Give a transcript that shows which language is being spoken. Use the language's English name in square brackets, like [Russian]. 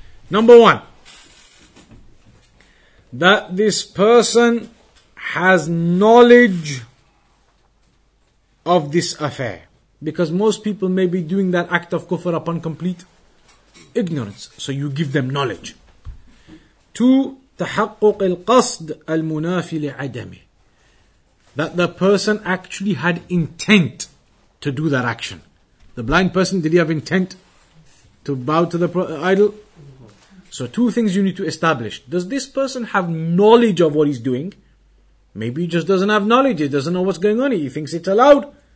[English] Number one, that this person has knowledge of this affair. Because most people may be doing that act of kufr upon complete ignorance. So you give them knowledge. [Arabic] 2, تحقق القصد المنافي لعدمه. [English] That the person actually had intent to do that action. The blind person, did he have intent to bow to the idol? So 2 things you need to establish. Does this person have knowledge of what he's doing? Maybe he just doesn't have knowledge. He doesn't know what's going on. He thinks it's allowed.